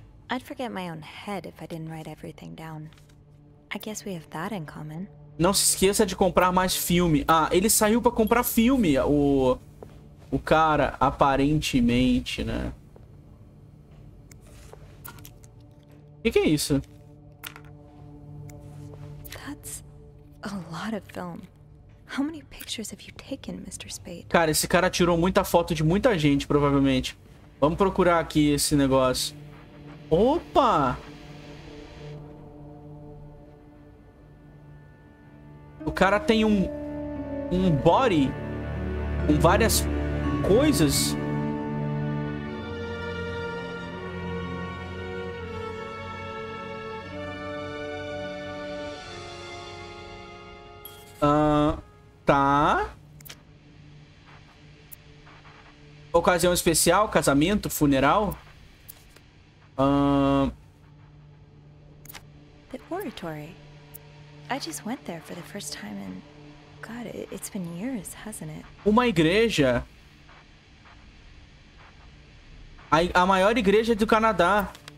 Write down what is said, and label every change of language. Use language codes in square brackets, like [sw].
[en] I'd forget my own head if I didn't write everything down. I guess we have that in common. [pt] Não se esqueça de comprar mais filme. Ah, ele saiu pra comprar filme, o cara, aparentemente, né? O que é isso? [en] That's a lot of film. How many pictures have you taken, Mr. Spade? [pt] Cara, esse cara tirou muita foto de muita gente, provavelmente. Vamos procurar aqui esse negócio. Opa! O cara tem um body com várias coisas. Tá. Ocasião especial, casamento, funeral. [en] The oratory. I just went there for the first time in God, it's been years, hasn't it? [pt] Uma igreja. A maior igreja do Canadá.